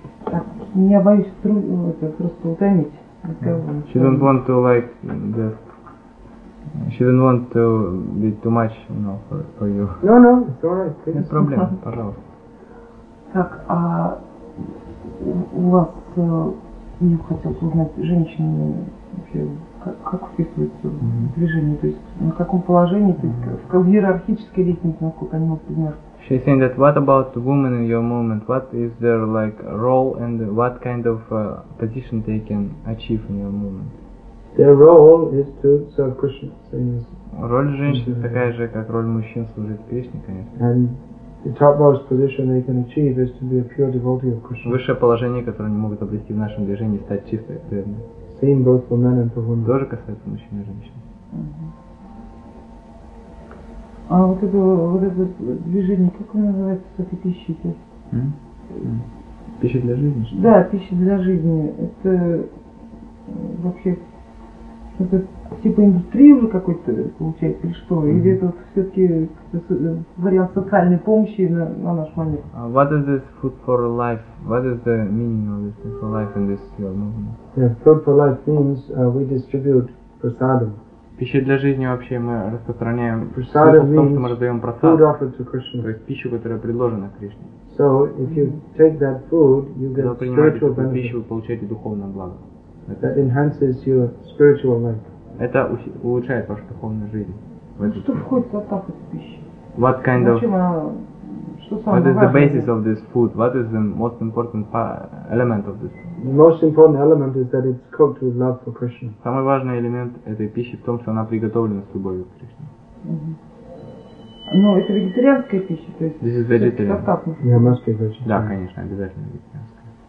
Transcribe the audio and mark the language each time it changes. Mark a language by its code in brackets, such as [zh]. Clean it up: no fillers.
[ru] Так, я боюсь просто утомить. [en] She don't want to like that. She don't want to be too much, you know, for you. No, it's alright. [ru] Нет проблем, пожалуйста. Так, а у вас, я хотел узнать, женщины вообще как вписываются в движение, то есть на каком положении, то есть в иерархической лестнице, насколько они могут подняться? [en] She's saying that what about women in your movement? What is their like role and what kind of position they can achieve in your movement? Their role is to serve Krishna. [ru] Роль женщины такая же, как роль мужчин служить Кришне, конечно. [en] And the topmost position they can achieve is to be a pure devotee of Krishna. [ru] Высшее положение, которое они могут обрести в нашем движении, стать чистой преданной. [en] Same both for men and for women. [ru] Тоже касается мужчин и женщин. А вот это движение, как оно называется, кофе пищи? Пища для жизни, что ли? Да, пища для жизни. Это вообще это типа индустрии уже какой-то получается или что? Или это вот все-таки вариант социальной помощи на наш момент? [en] What is this food for life? What is the meaning of this food for life in this field movement? Yeah, food for life means we distribute prasadam. [ru] Пища для жизни вообще мы распространяем прасада в том, что мы раздаем прасад, то есть пищу, которая предложена Кришне. [en] So if you take that food, you get spiritual benefit. [ru] Когда вы принимаете эту пищу, вы получаете духовное благо. [en] That enhances your spiritual life. [ru] Это улучшает вашу духовную жизнь. Что входит в состав этой пищи? [en] What kind of? [ru] Что самое [en] важное? What is the basis of this food? What is the most important element of this? The most important element is that it's cooked with love for Krishna. [ru] Самый важный элемент этой пищи в том, что она приготовлена с любовью к Кришне. Но это вегетарианская пища, то есть. [en] This is vegetarian. Я must be vegetarian. [ru] Да, конечно, обязательно вегетарианская.